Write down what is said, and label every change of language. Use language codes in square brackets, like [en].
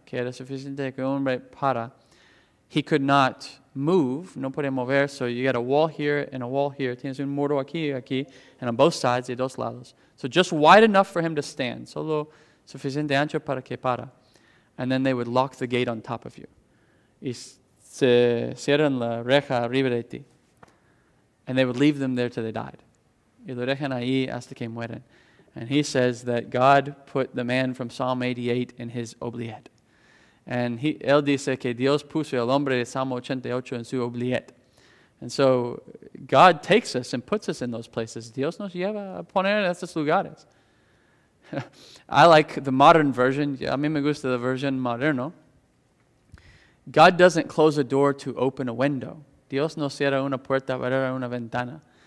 [es] Que era suficiente que un hombre para. [en] He could not move, [es] no puede mover, [en] so you got a wall here and a wall here. [es] Tienes un muro aquí y aquí, [en] and on both sides, [es] de dos lados. [en] So just wide enough for him to stand. [es] Solo suficiente ancho para que para. [en] And then they would lock the gate on top of you. [es] Y se cierran la reja arriba de ti. [en] And they would leave them there till they died. [es] Y lo dejan ahí hasta que mueren. [en] And he says that God put the man from Psalm 88 in his oubliette. [es] And él dice que Dios puso el hombre de Salmo 88 en su oubliette. [en] And so God takes us and puts us in those places. [es] Dios nos lleva a poner en esos lugares. [en] I like the modern version. [es] A mí me gusta la versión moderno. [en] God doesn't close a door to open a window. [es] Dios no cierra una puerta para una ventana.